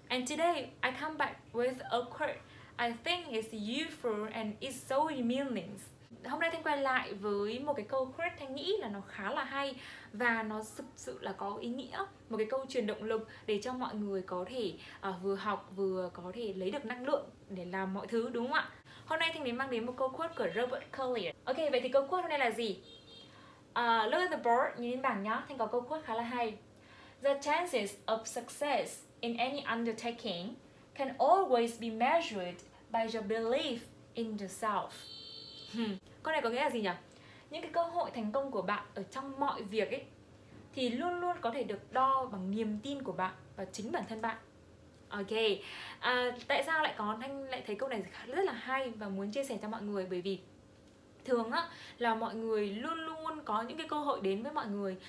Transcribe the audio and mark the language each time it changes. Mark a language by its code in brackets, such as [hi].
[en] And today I come back with a quote I think is useful and is so meaning. [vi] Hôm nay Thanh quay lại với một cái câu quote Thanh nghĩ là nó khá là hay và nó thực sự là có ý nghĩa, một cái câu truyền động lực để cho mọi người có thể vừa học vừa có thể lấy được năng lượng để làm mọi thứ, đúng không ạ? Hôm nay Thanh mới mang đến một câu quote của Robert Collier. Ok, vậy thì câu quote hôm nay là gì? [en] Look at the board, [vi] nhìn lên bảng nhá. Thanh có câu quote khá là hay. [en] The chances of success in any undertaking can always be measured by your belief in yourself. [vi] Câu này có nghĩa là gì nhỉ? Những cái cơ hội thành công của bạn ở trong mọi việc ấy thì luôn luôn có thể được đo bằng niềm tin của bạn và chính bản thân bạn. Ok, tại sao lại có Thanh lại thấy câu này rất là hay và muốn chia sẻ cho mọi người? Bởi vì thường á, là mọi người luôn luôn có những cái cơ hội đến với mọi người.